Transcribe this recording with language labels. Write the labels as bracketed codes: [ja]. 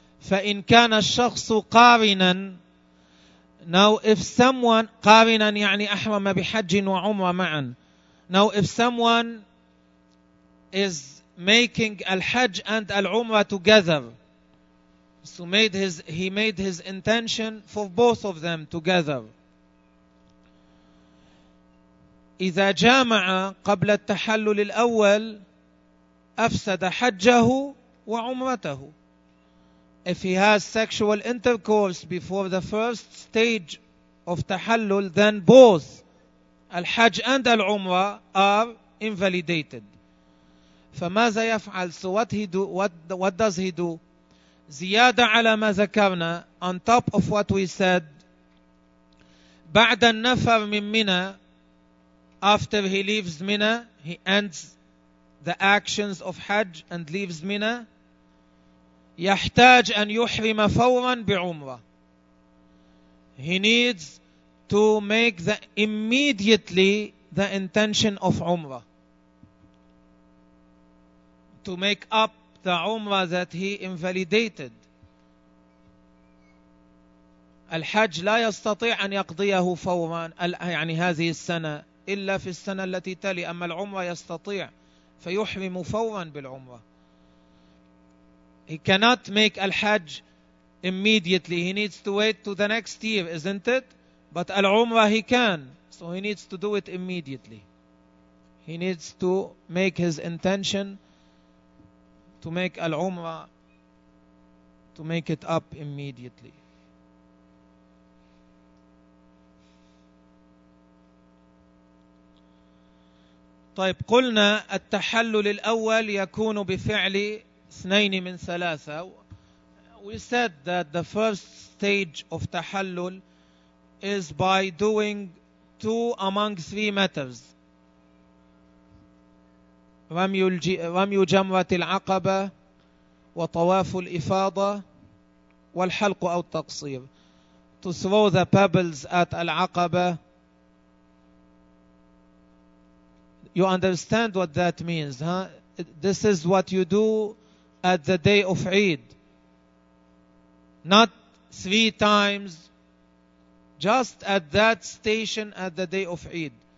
[ar] فإن كان الشخص قارنا, [en] now if someone, [ar] قارنا يعني أحرم بحج وعمرة معا, [en] now if someone is making الحج and العمرة together, So he made his intention for both of them together. [ar] إذا جامع قبل التحلل الأول أفسد حجه وعمرته. [en] If he has sexual intercourse before the first stage of tahallul, then both al-hajj and al-umrah are invalidated. [ar] فماذا يفعل? [en] So what does he do? [ar] زيادة على ما ذكرنا, [en] on top of what we said, [ar] بعد النفر من منى, [en] after he leaves Mina, he ends the actions of Hajj and leaves Mina. [ar] يحتاج أن يحرم فورا بعمرة. [en] He needs to make immediately the intention of Umrah. To make up the Umrah that he invalidated. [ar] الحج لا يستطيع أن يقضيه فورا, يعني هذه السنة, إلا في السنة التي تلي. أما العمرة يستطيع فيحرم فورا بالعمرة. [en] He cannot make al-hajj immediately. He needs to wait to the next year, isn't it? But al-umrah he can. So he needs to do it immediately. He needs to make his intention to make al-umrah, to make it up immediately. [ar] طيب قلنا التحلل الأول يكون بفعل اثنين من ثلاثة. [en] We said that the first stage of tahallul is by doing two among three matters. [ar] رمي جمرة العقبة وطواف الإفاضة والحلق أو التقصير. [en] To throw the pebbles at العقبة. You understand what that means, huh? This is what you do at the day of Eid. Not three times, just at that station at the day of Eid.